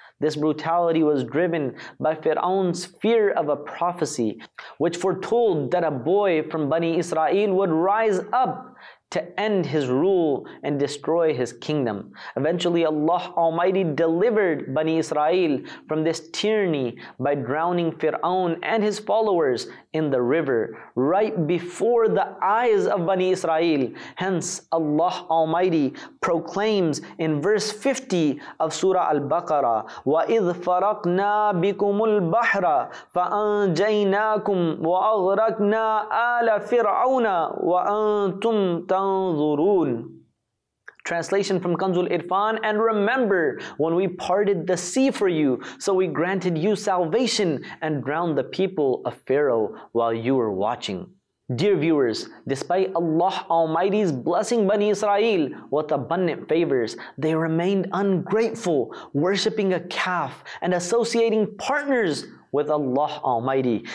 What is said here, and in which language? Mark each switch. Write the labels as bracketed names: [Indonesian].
[English] This brutality was driven by Fir'aun's fear of a prophecy, which foretold that a boy from Bani Israel would rise up to end his rule and destroy his kingdom. Eventually, Allah Almighty delivered Bani Israel from this tyranny by drowning Fir'aun and his followers in the river right before the eyes of Bani Israel. Hence, Allah Almighty proclaims in verse 50 of Surah Al-Baqarah, [Arabic] وَإِذْ فَرَقْنَا بِكُمُ الْبَحْرَ فَأَنْجَيْنَاكُمْ وَأَغْرَقْنَا آلَ فِرْعَوْنَ وَأَنْتُمْ تَنْظُرُونَ. [English] Translation from Kanzul Irfan, and remember when we parted the sea for you, so we granted you salvation and drowned the people of Pharaoh while you were watching. Dear viewers, despite Allah Almighty's blessing Bani Israel with abundant favors, they remained ungrateful, worshipping a calf and associating partners with Allah Almighty.